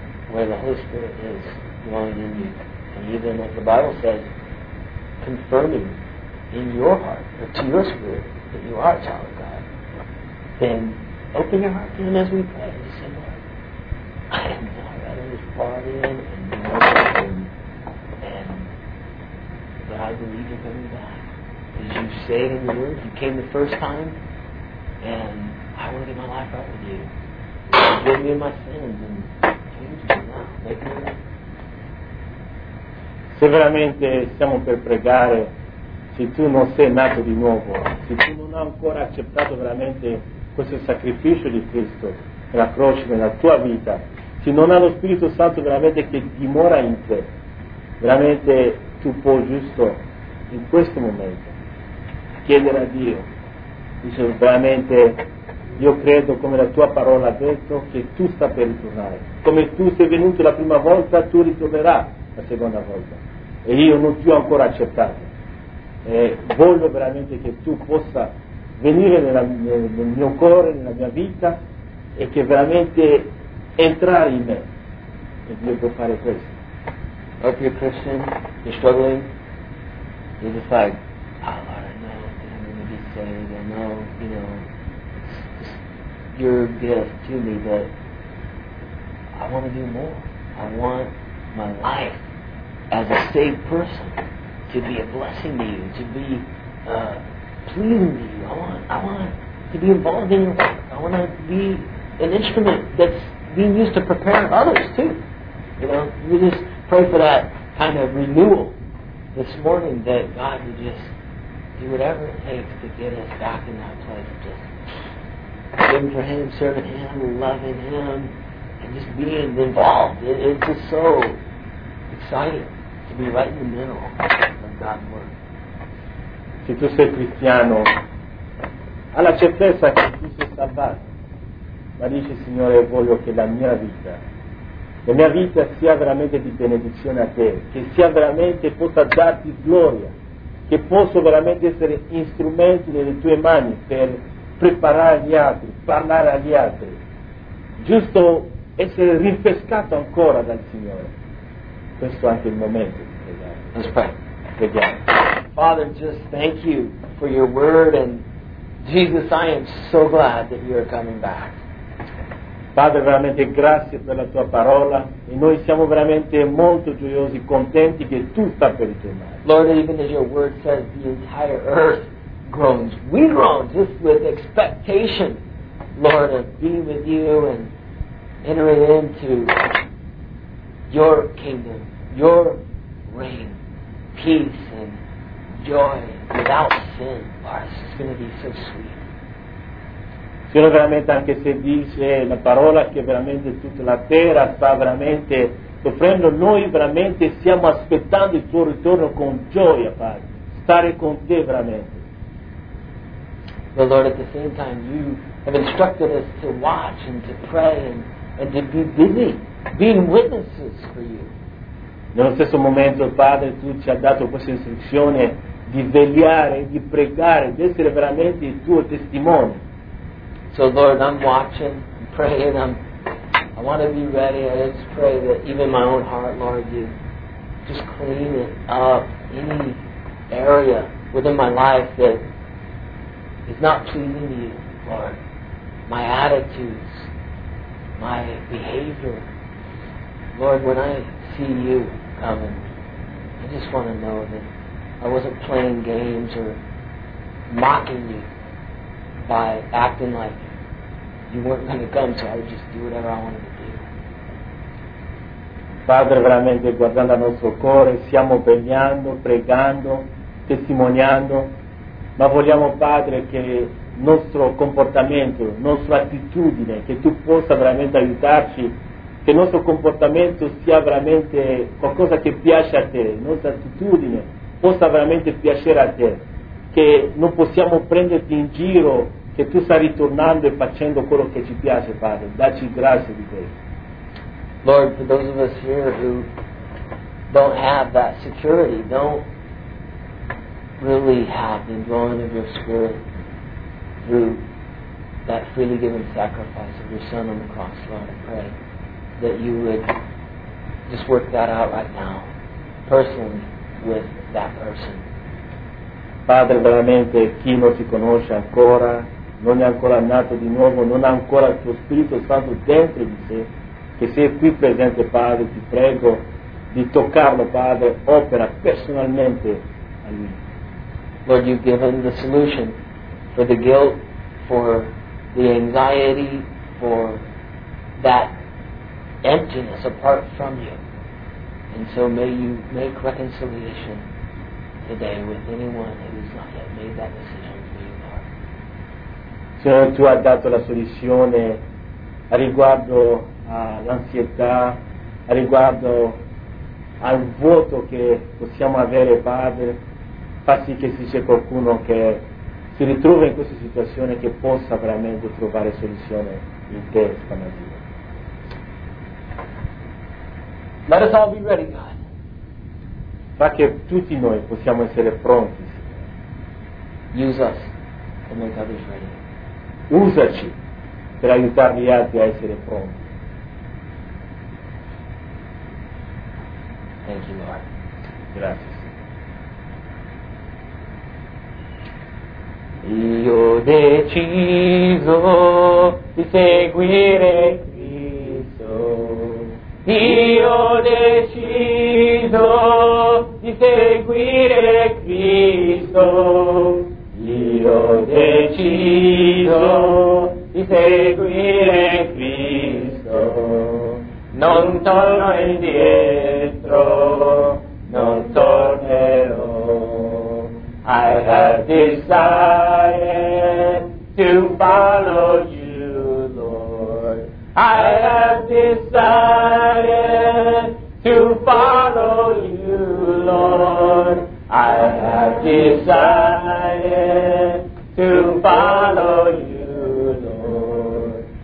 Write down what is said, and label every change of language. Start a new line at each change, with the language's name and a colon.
English: where the Holy Spirit is dwelling in you, and even as the Bible says, confirming in your heart or to your spirit that you are a child of God, then open your heart to Him as we pray and say, Lord, I am not ready to fall in and be but I believe you're coming back. As you say it in the Word, you came the first time, and I want to get my life right with you. Forgive me of my sins and change me now. Make me right.
Italian: Se veramente stiamo per pregare, se tu non sei nato di nuovo, se tu non hai ancora accettato veramente questo sacrificio di Cristo nella croce, nella tua vita, se non hai lo Spirito Santo veramente che dimora in te, veramente tu puoi giusto in questo momento chiedere a Dio, dice veramente io credo come la tua parola ha detto che tu sta per ritornare, come tu sei venuto la prima volta tu ritornerai la seconda volta e io non ti ho ancora accettato. E voglio veramente che tu possa venire nel mio cuore, nella mia vita, e che veramente entrare in me. E Dio può fare questo.
English: Hope you're a Christian, you're struggling, you're just like, oh Lord, I know that I'm going to be saved, I know, you know, it's just your gift to me, but I want to do more. I want my life as a saved person to be a blessing to you, to be pleasing to you. I want to be involved in your work. I want to be an instrument that's being used to prepare others too. You know, you just pray for that kind of renewal this morning, that God would just do whatever it takes to get us back in that place of just living for Him, serving Him, loving Him, and just being involved. It's just so exciting to be right in the middle of God's work.
Italian: Se tu sei cristiano, ha la certezza che tu sei salvato, ma dice Signore, voglio che la mia vita sia veramente di benedizione a te, che sia veramente, possa darti gloria, che posso veramente essere strumento nelle tue mani per preparare gli altri, parlare agli altri, giusto essere rinfrescato ancora dal Signore. Questo è anche il momento di pregare.
English: Let's pray.
Italian: Preghiamo.
English: Father, just thank you for your word, and Jesus, I am so glad that you are coming back.
Italian: Padre, veramente grazie per la tua parola e noi siamo veramente molto gioiosi, contenti che tu sta per ritornare.
English: Lord, even as your word says, the entire earth groans. We groan just with expectation, Lord, of being with you and entering into your kingdom, your reign, peace and joy without sin. Lord, it's just going to be so sweet.
Italian: Però veramente anche se dice la parola che veramente tutta la terra sta veramente soffrendo, noi veramente stiamo aspettando il tuo ritorno con gioia, Padre. Stare con te veramente.
English: The Lord, at the same time, you have instructed us to watch and to pray and to be busy, being witnesses for you.
Italian: Nello stesso momento, Padre, tu ci hai dato questa istruzione di vegliare, di pregare, di essere veramente il tuo testimone.
English: So Lord, I'm watching, I'm praying, I want to be ready. I just pray that even my own heart, Lord, you just clean it up, any area within my life that is not pleasing to you, Lord. My attitudes, my behavior. Lord, when I see you coming, I just want to know that I wasn't playing games or mocking you by acting like you weren't going to come, so I would just do whatever I wanted to do.
Italian: Padre, veramente guardando al nostro cuore, stiamo pregando, pregando, testimoniando, ma vogliamo, Padre, che il nostro comportamento, la nostra attitudine, che tu possa veramente aiutarci, che il nostro comportamento sia veramente qualcosa che piace a te, la nostra attitudine possa veramente piacere a te, che non possiamo prenderti in giro, che tu stai ritornando e facendo quello che ci piace, Padre. Dacci grazie di questo.
English: Lord, for those of us here who don't have that security, don't really have the indwelling of your spirit through that freely given sacrifice of your Son on the cross, Lord, I pray that you would just work that out right now, personally, with that person.
Italian: Padre, veramente, chi non ti conosce ancora, non è ancora nato di nuovo, non ha ancora il tuo Spirito Santo dentro di sé, che sei qui presente, Padre, ti prego di toccarlo, Padre, opera personalmente a lui.
English: Lord, you've given the solution for the guilt, for the anxiety, for that emptiness apart from you. And so may you make reconciliation today with anyone who has not yet made that decision for you, Lord.
Italian: Signore, tu hai dato la soluzione a riguardo all'ansietà, a riguardo al vuoto che possiamo avere, Padre. Fa sì che se c'è qualcuno che si ritrova in questa situazione che possa veramente trovare soluzione in te stamattina.
English: Let us all be ready, God.
Italian: Fa che tutti noi possiamo essere pronti, Signore.
English: Use us to make others ready.
Italian: Usaci per aiutare gli altri a essere pronti.
English: Thank you, Lord.
Italian: Grazie. Io ho deciso di seguire Cristo. Io ho deciso di seguire Cristo. Io ho deciso di seguire Cristo. Non torno indietro, non tornerò.
English: I have decided to follow you, Lord. I have decided to follow you, Lord. I have decided to follow you, Lord.